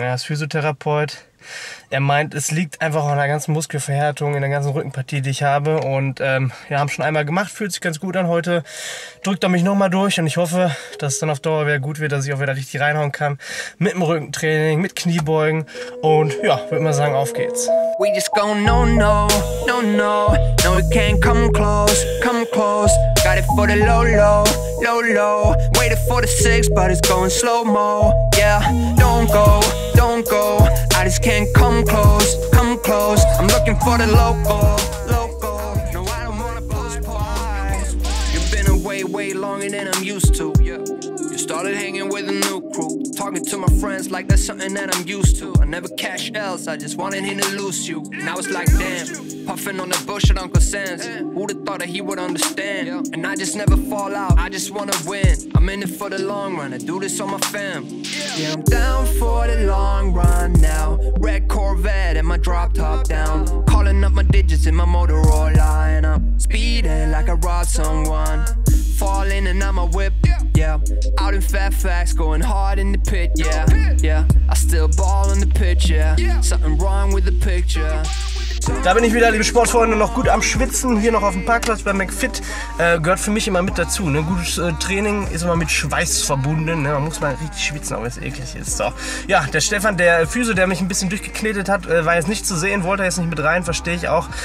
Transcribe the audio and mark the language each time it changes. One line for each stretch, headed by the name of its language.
German: Er ist Physiotherapeut. Er meint, es liegt einfach an der ganzen Muskelverhärtung, in der ganzen Rückenpartie, die ich habe. Und wir haben schon einmal gemacht, fühlt sich ganz gut an heute. Drückt er mich nochmal durch und ich hoffe, dass es dann auf Dauer wieder gut wird, dass ich auch wieder richtig reinhauen kann. Mit dem Rückentraining, mit Kniebeugen. Und ja, würde mal sagen, auf geht's.
English: We just go no, no, no, no. No, we can't come close, come close. Got it for the low, low, low, low. Waited for the six, but it's going slow-mo. Yeah, don't go, don't go. I just can't come close, come close. I'm looking for the local, local. No, I don't wanna postpone. You've been away way longer than I'm used to. You started hanging with a new crew. Talking to my friends like that's something that I'm used to. I never cash L's, I just wanted him to lose you. Now it's like damn, puffing on the bush at Uncle Sam's. Who'd have thought that he would understand? And I just never fall out, I just wanna win. I'm in it for the long run, I do this on my fam. Yeah, I'm down for the long run now. Red Corvette and my drop top down. Calling up my digits in my Motorola. And I'm speeding like I robbed someone. Falling and I'm a whip, yeah. Out in Fairfax, going hard in the pit, yeah. Yeah, I still ball on the pitch, yeah. Something wrong with the picture.
German: Da bin ich wieder, liebe Sportfreunde, noch gut am Schwitzen, hier noch auf dem Parkplatz bei McFit. Gehört für mich immer mit dazu. Ne? Gutes Training ist immer mit Schweiß verbunden. Ne? Man muss mal richtig schwitzen, auch wenn es eklig ist. So. Ja, der Stefan, der Physio, der mich ein bisschen durchgeknetet hat, war jetzt nicht zu sehen, wollte jetzt nicht mit rein, verstehe ich auch.